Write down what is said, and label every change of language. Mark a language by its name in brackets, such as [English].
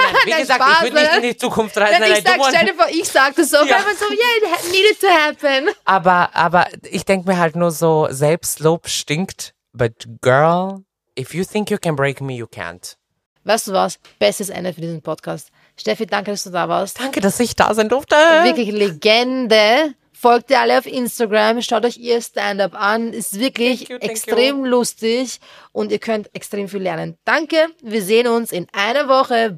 [German] Wie gesagt, Spaß, ich würde nicht in die Zukunft reisen. [English] It needed to happen. [German] Aber ich denke mir halt nur so, Selbstlob stinkt. [English] But girl, if you think you can break me, you can't. [German] Weißt du was? Bestes Ende für diesen Podcast. Steffi, danke, dass du da warst. Danke, dass ich da sein durfte. Wirklich Legende. Folgt ihr alle auf Instagram, schaut euch ihr Stand-up an. Ist wirklich extrem lustig und ihr könnt extrem viel lernen. Danke, wir sehen uns in einer Woche. Bye!